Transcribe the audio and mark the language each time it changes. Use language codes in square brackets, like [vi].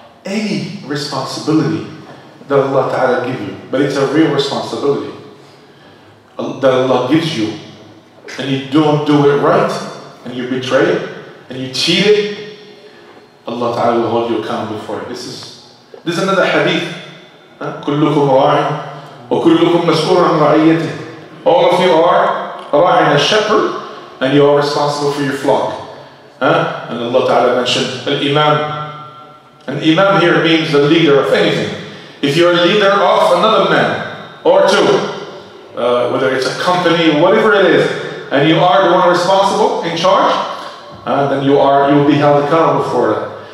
[en] Any responsibility that Allah Ta'ala gives you, but it's a real responsibility that Allah gives you, and you don't do it right, and you betray it, and you cheat it, Allah Ta'ala will hold you accountable for it. This is another hadith. [ar] كلكم راعٍ وكلكم مسؤول عن رعيته. [en] All of you are راعٍ, a shepherd, and you are responsible for your flock. And Allah Ta'ala mentioned الإمام. An imam here means the leader of anything. If you're a leader of another man or two, whether it's a company, whatever it is, and you are the one responsible, in charge, then you will be held accountable for that.